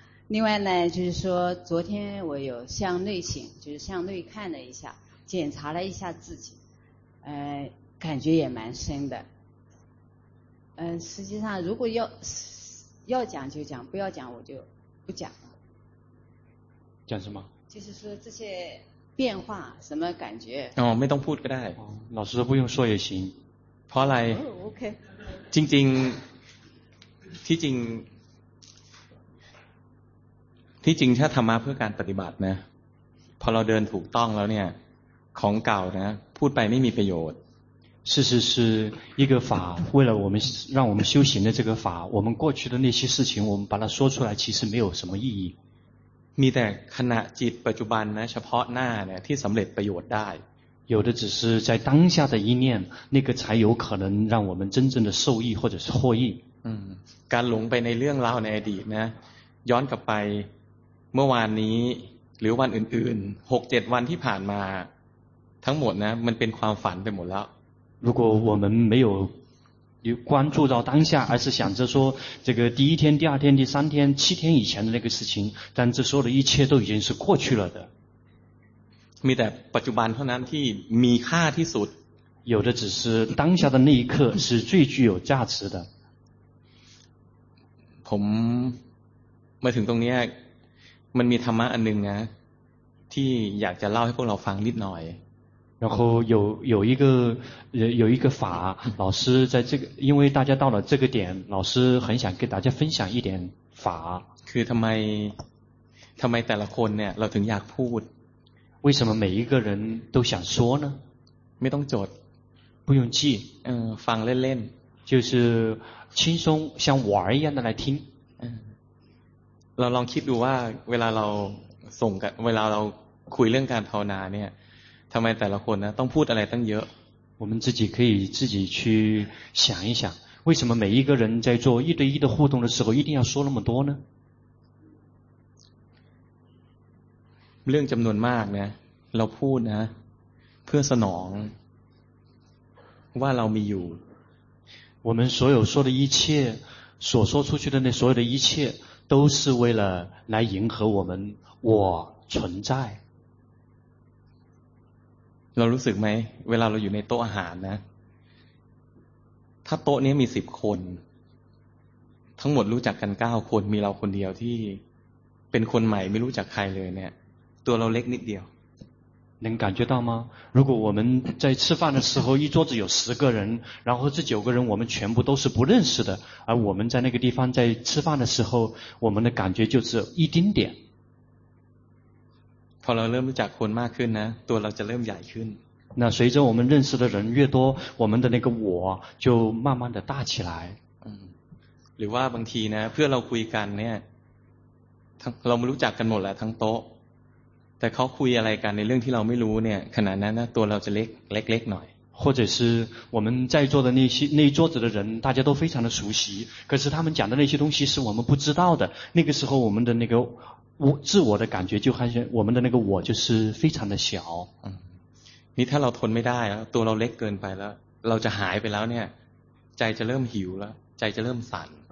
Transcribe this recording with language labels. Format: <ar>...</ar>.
<zh>另外呢就是说昨天我有向内省，就是向内看了一下，检查了一下自己，感觉也蛮深的。实际上如果要讲就讲，不要讲我就不讲了。讲什么？就是说这些变化什么感觉。哦，没动过来。老师都不用说也行。跑来。哦、OK。静静，提静，提静，他</zh> <th>ธรรมะเพื่อการปฏิบัตินะ。 พอเราเดินถูกต้องแล้วเนี่ย，ของเก่านะ，พูดไปไม่มีประโยชน์。</th> <zh>是一个法，为了我们让我们修行的这个法，我们过去的那些事情，我们把它说出来，其实没有什么意义。你在看那</zh> <th>จิตปัจจุบันนะเฉพาะหน้าเนี่ยที่สำเร็จประโยชน์ได้</th> <zh>有的只是在当下的一念，那个才有可能让我们真正的受益或者是获益。</zh> <th>การหลงไปในเรื่องราวในอดีตนะย้อนกลับไปเมื่อวานนี้หรือวันอื่นๆหกเจ็ดวันที่ผ่านมาทั้งหมดนะมันเป็นความฝันไปหมดแล้ว。</th> <zh>如果我们没有关注到当下，而是想着说这个第一天、第二天、第三天、七天以前的那个事情，但这所有的一切都已经是过去了的。</zh> <th>มีแต่ปัจจุบันเท่านั้นที่มีค่าที่สุด。</th> <zh>有的只是当下的那一刻是最具有价值的。</zh> <th>ผมมาถึงตรงนี้มันมีธรรมะอันนึงนะที่อยากจะเล่าให้พวกเราฟังนิดหน่อย。</th> <zh>然后有一个法，老师在这个，因为大家到了这个点，老师很想给大家分享一点法。</zh> <th>คือทำไมแต่ละคนเนี่ยเราถึงอยากพูด？</th> <zh>为什么每一个人都想说呢？</zh> <th>ไม่ต้องจด，</th> <zh>不用记。</zh> <th>ฟังเล่น</th> <zh>ๆ，就是轻松像玩一样的来听。</zh> <th>เราลองคิดดูว่าเวลาเราส่งกันเวลาเราคุยเรื่องการภาวนาเนี่ยทำไมแต่ละคนนะต้องพูดอะไรตั้งเยอะ</th> <zh>我们自己可以自己去想一想为什么每一个人在做一对一的互动的时候一定要说那么多呢</zh> <th>เรื่องจำนวนมากนะเราพูดนะเพื่อสนองว่าเรามีอยู่</th> <zh>我们所有说的一切所说出去的那所有的一切都是为了来迎合我们我存在</zh> <th>เรารู้สึกไหมเวลาเราอยู่ในโต๊ะอาหารนะถ้าโต๊ะนี้มีสิบคนทั้งหมดรู้จักกันเก้าคนมีเราคนเดียวที่เป็นคนใหม่ไม่รู้จักใครเลยเนี่ยตัวเราเล็กนิดเดียว</th> <zh>能感觉到吗如果我们在吃饭的时候一桌子有十个人然后这九个人我们全部都是不认识的而我们在那个地方在吃饭的时候我们的感觉就只有一丁点</zh> <th>พอเราเริ่มรู้จักคนมากขึ้นนะตัวเราจะเริ่มใหญ่ขึ้น</th> <zh>那随着我们认识的人越多我们的那个我就慢慢的大起来</zh> <th>หรือว่าบางทีนะเพื่อเราคุยกันเนี่ยเราไม่รู้จักกันหมดแหละทั้งโต๊ะแต่เขาคุยอะไรกันในเรื่องที่เราไม่รู้เนี่ยขณะนั้นนะตัวเราจะเล็กหน่อย</th> <zh>或者是我们在座的那一桌子的人大家都非常的熟悉可是他们讲的那些东西是我们不知道的那个时候我们的那个我自我的感觉就好像我们的那个我就是非常的小</zh> <th>你ถ้าเราทนไม่ได้แล้วตัวเราเล็กเกินไปแล้วเราจะหายไปแล้วเนี่ยใจจะเริ่มหิวแล้วใจจะเริ่มสั่น</th>